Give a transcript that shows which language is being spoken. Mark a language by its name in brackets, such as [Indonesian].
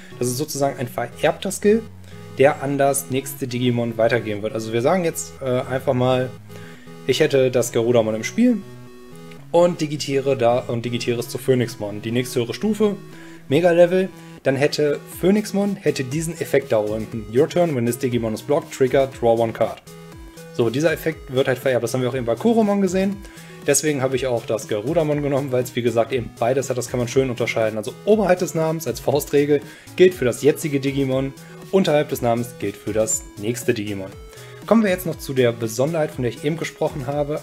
[German] Das ist sozusagen ein vererbter Skill, der an das nächste Digimon weitergehen wird. Also wir sagen jetzt einfach mal, ich hätte das Garudamon im Spiel und digitiere es zu Phoenixmon, die nächsthöhere Stufe, Mega-Level. Dann hätte Phoenixmon hätte diesen Effekt da unten. [English] Your turn, when this Digimon is blocked, trigger, draw one card. [German] So, dieser Effekt wird halt vererbt. Das haben wir auch eben bei Koromon gesehen. Deswegen habe ich auch das Garudamon genommen, weil es wie gesagt eben beides hat. Das kann man schön unterscheiden. Also oberhalb des Namens als Faustregel gilt für das jetzige Digimon. Unterhalb des Namens gilt für das nächste Digimon. Kommen wir jetzt noch zu der Besonderheit, von der ich eben gesprochen habe.